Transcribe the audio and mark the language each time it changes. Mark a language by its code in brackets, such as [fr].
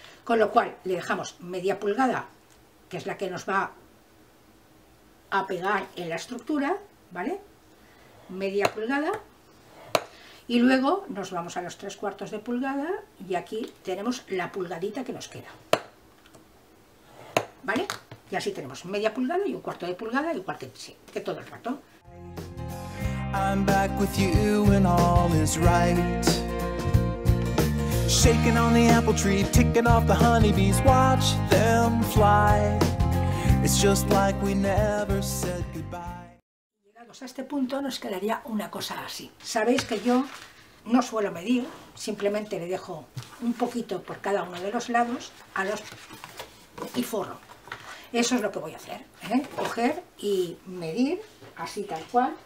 [es] Con lo cual, le dejamos media pulgada, que es la que nos va a pegar en la estructura, ¿vale? Media pulgada. Y luego nos vamos a los 3 cuartos de pulgada y aquí tenemos la pulgadita que nos queda. ¿Vale? Y así tenemos media pulgada y un cuarto de pulgada y un cuarto de, sí, que todo el rato. [en] I'm back with you and all is right. Shaking on the apple tree, ticking off the honeybees, watch them fly. It's just like we never said goodbye. [es] A este punto nos quedaría una cosa así. Sabéis que yo no suelo medir, simplemente le dejo un poquito por cada uno de los lados a los y forro. Eso es lo que voy a hacer, coger y medir así tal cual.